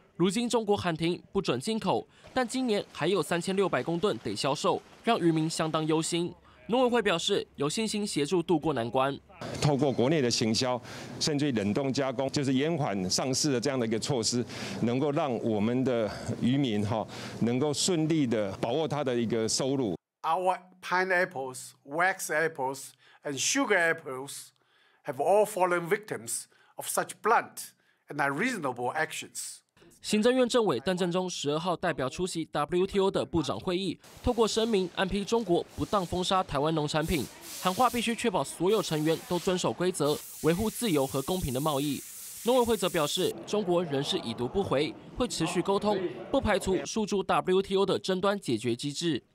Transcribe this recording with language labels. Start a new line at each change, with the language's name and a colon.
Chinese: 如今中国喊停不准进口，但今年还有3600公吨得销售，让渔民相当忧心。农委会表示有信心协助渡过难关，透过国内的行销，甚至冷冻加工，就是延缓上市的这样的一个措施，能够让我们的渔民能够顺利的把握他的一个收入。
English: Our pineapples, wax apples, and sugar apples have all fallen victims of such blunt and unreasonable actions.
Chinese: 行政院政委邓正中12号代表出席 WTO 的部长会议，透过声明暗批中国不当封杀台湾农产品，喊话必须确保所有成员都遵守规则，维护自由和公平的贸易。农委会则表示，中国仍是已读不回，会持续沟通，不排除诉诸 WTO 的争端解决机制。